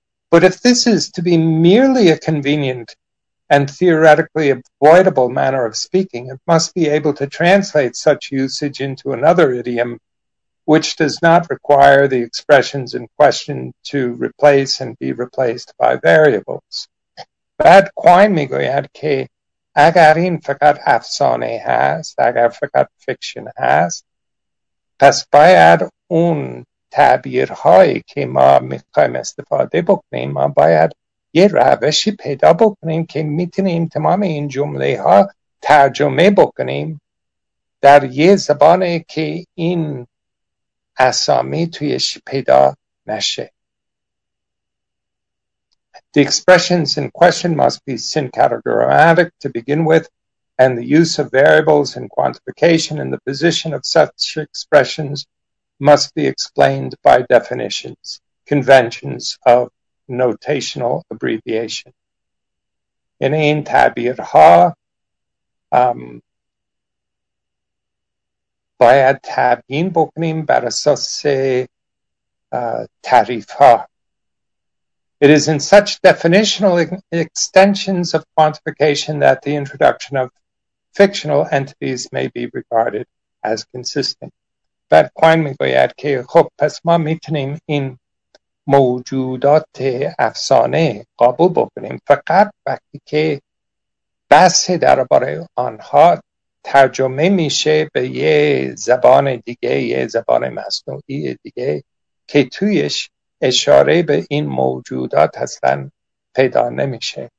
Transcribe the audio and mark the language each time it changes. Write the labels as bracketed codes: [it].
[en] But if this is to be merely a convenient and theoretically avoidable manner of speaking, it must be able to translate such usage into another idiom which does not require the expressions in question to replace and be replaced by variables. [fa] بعد کوین میگوید که اگر این فقط افسانه هست، اگر فقط فیکشن هست، پس باید اون تعبیرهایی که ما میخوایم استفاده بکنیم، ما باید یه روشی پیدا بکنیم که میتونیم تمام این جمله ها ترجمه بکنیم در یه زبانی که این اسامی تویش پیدا نشه. [en] The expressions in question must be syncategrammatic to begin with, and the use of variables and quantification in the position of such expressions must be explained by definitions, conventions of notational abbreviation. In [fa] این تعبیرها باید تبیین بکنیم بر اساس تعریف‌ها. [en] It is in such definitional extensions of quantification that the introduction of fictional entities may be regarded as consistent. [fa] بعد کوین میگوید که خب پس ما میتونیم این موجودات افسانه قبول بکنیم فقط وقتی که بحث درباره آنها ترجمه میشه به یه زبان دیگه، یه زبان مصنوعی دیگه که تویش اشاره به این موجودات اصلا پیدا نمیشه.